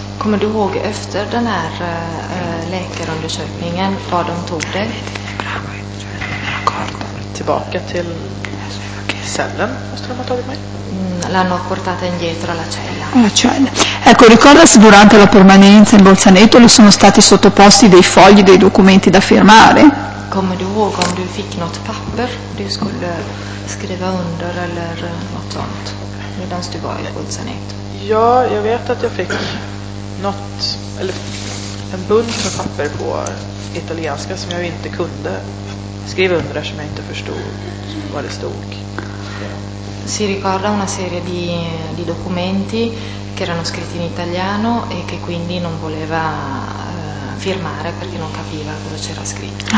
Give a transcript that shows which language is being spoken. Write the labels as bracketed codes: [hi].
[sv] Come du ihåg efter den här läkarundersökningen var de tog dig? Tillbaka till cellen måste de ha tagit mig. [it] L'hanno portata indietro alla cella. Alla cella. Ecco, ricorda se durante la permanenza in Bolzaneto le sono stati sottoposti dei fogli, dei documenti da firmare? [sv] Come du ihåg om du fick något papper du skulle skriva under eller något sånt medan du var i Bolzaneto? Ja, jag vet att jag fick något, eller en bunt med papper på italienska som jag inte kunde skriva under eftersom jag inte förstod vad det stod. [it] Si ricorda una serie di documenti che erano scritti in italiano e che quindi non voleva firmare perché non capiva cosa c'era scritto.